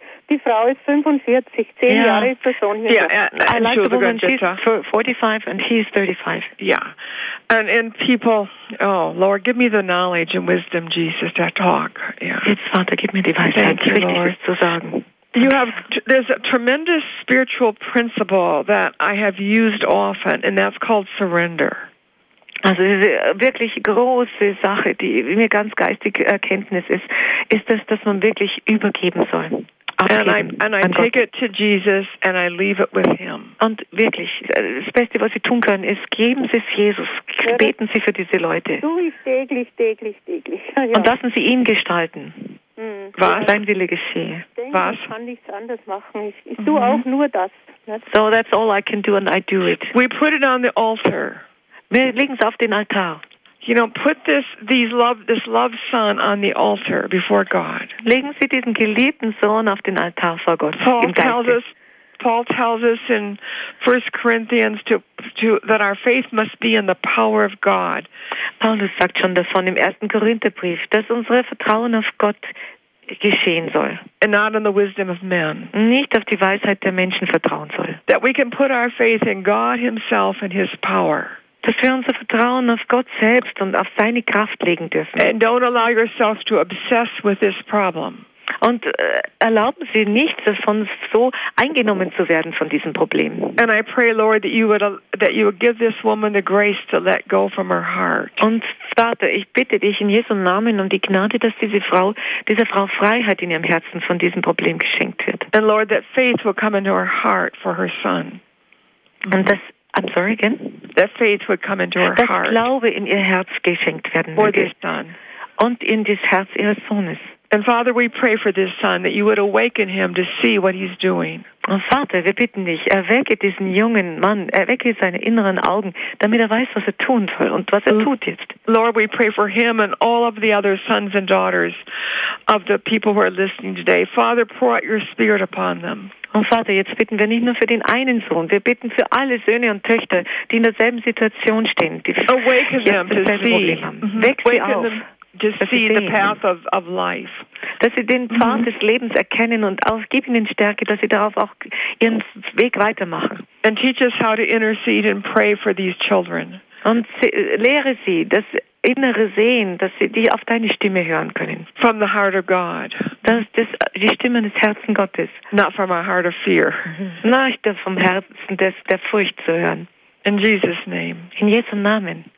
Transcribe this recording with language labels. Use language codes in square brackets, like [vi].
[de] Die Frau ist 45, 10 Jahre ist der Sohn hier. [en] Yeah, and I like she was the woman, a good she's 45 and he's 35. Yeah, and people, oh, Lord, give me the knowledge and wisdom, Jesus, to talk. Yeah. [de] Jetzt, Vater, gib mir die Weisheit, richtig zu sagen. [en] You have there's a tremendous spiritual principle that I have used often, and that's called surrender. [de] Also wirklich große Sache, die mir ganz geistig Erkenntnis ist das, dass man wirklich übergeben soll. [en] And I take [de] Gott. [en] It to Jesus and I leave it with Him. [de] Und wirklich, das Beste, was Sie tun können, ist, geben Sie es Jesus. Beten Sie für diese Leute. Tue ich täglich. Ja. Und lassen Sie ihn gestalten. Was? Dein Wille geschehe. Ich denke, was? Ich kann nichts anderes machen. Ich tue auch nur das. [en] So that's all I can do and I do it. We put it on the altar. [de] Wir legen es auf den Altar. [en] You know, put this love son on the altar before God. [de] Legen Sie diesen geliebten Sohn auf den Altar vor Gott. [en] Paul tells us in 1 Corinthians that our faith must be in the power of God. [de] Paulus sagt schon davon im ersten Korintherbrief, dass unser Vertrauen auf Gott geschehen soll. [en] And not on the wisdom of men. [de] Nicht auf die Weisheit der Menschen vertrauen soll. [en] That we can put our faith in God Himself and His power. [de] Dass wir unser Vertrauen auf Gott selbst und auf seine Kraft legen dürfen. [en] And don't allow yourself to obsess with this problem. [de] Und erlauben Sie nicht, davon so eingenommen zu werden von diesem Problem. [en] And I pray, Lord, that you would give this woman the grace to let go from her heart. [de] Und Vater, ich bitte dich in Jesu Namen um die Gnade, dass dieser Frau Freiheit in ihrem Herzen von diesem Problem geschenkt wird. [en] And Lord, that faith will come into her heart for her son. [de] Und das [en] I'm sorry again. That faith would come into her [de] das [en] heart. [de] Dass Glaube in ihr Herz geschenkt werden würde. Und in das Herz ihres Sohnes. [en] And Father, we pray for this son that you would awaken him to see what he's doing. [de] Und Vater, wir bitten dich, erwecke diesen jungen Mann, erwecke seine inneren Augen, damit er weiß, was er tun soll und was er tut jetzt. [en] Lord, we pray for him and all of the other sons and daughters of the people who are listening today. Father, pour out your spirit upon them. [de] Und Vater, jetzt bitten wir nicht nur für den einen Sohn, wir bitten für alle Söhne und Töchter, die in derselben Situation stehen, die [en] awaken [de] jetzt dasselbe Problem haben. Weck sie auf. [en] Just see the path of life. [de] Dass sie den Pfad des Lebens erkennen und gib ihnen Stärke, dass sie darauf auch ihren Weg weitermachen. [en] And teach us how to intercede and pray for these children. [de] und lehre sie, das innere Sehen, dass sie dich auf deine Stimme hören können. [en] From the heart of God. [de] Das die Stimme des Herzens Gottes. [en] Not from a heart of fear. [de] Nicht vom Herzen der Furcht zu hören. [en] In Jesus' name. [de] In Jesu Namen.